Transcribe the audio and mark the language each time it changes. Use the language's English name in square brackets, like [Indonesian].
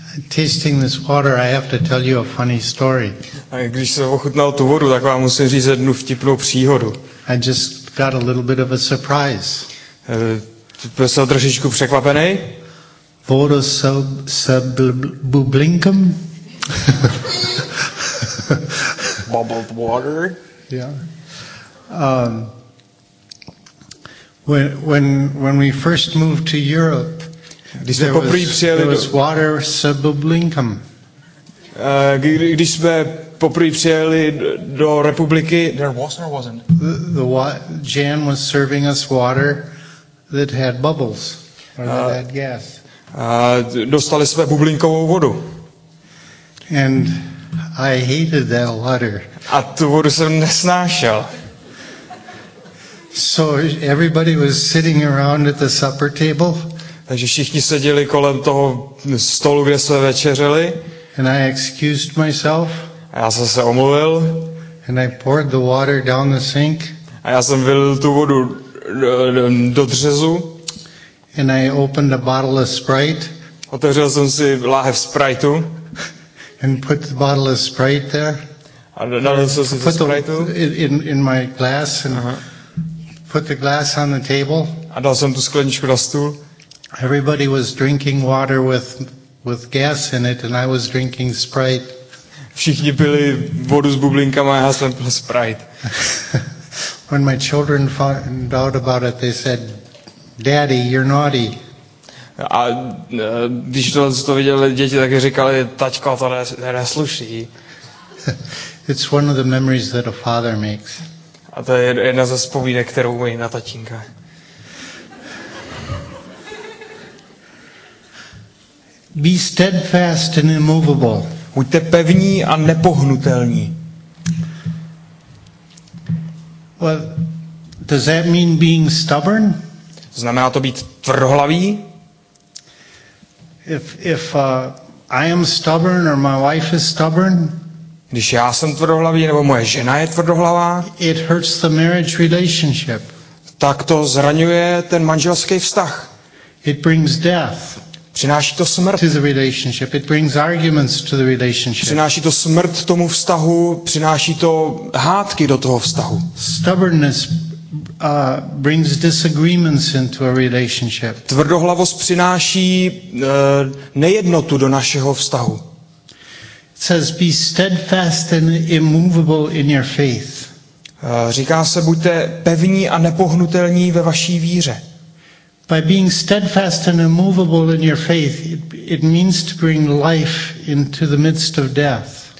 [English] Tasting this water, I have to tell you a funny story. [Czech] A když jsem ochutnal tu vodu, tak vám musím říct jednu vtipnou příhodu. [English] I just got a little bit of a surprise. [Czech] Byl jsem trošičku překvapený. Voda se bublinkem. [English] Bubbled water. Yeah. When we first moved to Europe, [Czech] Když jsme poprvé přijeli do republiky, [English] there was or wasn't. Jan was serving us water that had bubbles or that had gas. [Czech] Dostali jsme bublinkovou vodu. [English] And I hated that water. [Czech] A tu vodu jsem nesnášel. [English] So everybody was sitting around at the supper table. [Czech] Takže všichni seděli kolem toho stolu, kde jsme večeřeli. [English] And I excused myself. [Czech] A já jsem se omluvil. [English] And I poured the water down the sink. [Czech] A já jsem vylil tu vodu do dřezu. [English] And I opened a bottle of Sprite. [Czech] Otevřel jsem si láhev Spriteu. [English] And put the bottle of Sprite there. [Czech] A dal jsem si [English] put [Czech] to Spriteu. [English] In my glass and put the glass on the table. [Czech] A dal jsem tu skleničku na stůl. [English] Everybody was drinking water with gas in it, and I was drinking Sprite. [Czech] Všichni pili vodu s bublinkama, já jsem pil Sprite. [English] When my children found out about it, they said, "Daddy, you're naughty." [Czech] A když to viděli děti, tak říkali, taťko, to nesluší. [English] It's one of the memories that a father makes. [Czech] A to je jedna ze vzpomínek, kterou mají na tatínka. [English] Be steadfast and immovable. [Czech] Buďte pevní a nepohnutelní. [English] Well, does that mean being stubborn? [Czech] Znamená to být tvrdohlavý? [English] If I am stubborn or my wife is stubborn? [Czech] Když já jsem tvrdohlavý nebo moje žena je tvrdohlavá? [English] It hurts the marriage relationship. [Czech] Tak to zraňuje ten manželský vztah. [English] It brings death. [Czech] Přináší to smrt. [English] To the relationship. It brings arguments to the relationship. [Czech] Přináší to smrt tomu vztahu, přináší to hádky do toho vztahu. [English] Stubbornness brings disagreements into a relationship. [Czech] Tvrdohlavost přináší nejednotu do našeho vztahu. [English] It says be steadfast and immovable in your faith. [Czech] Říká se buďte pevní a nepohnutelní ve vaší víře. [English] By being steadfast and immovable in your faith, it means to bring life into the midst of death.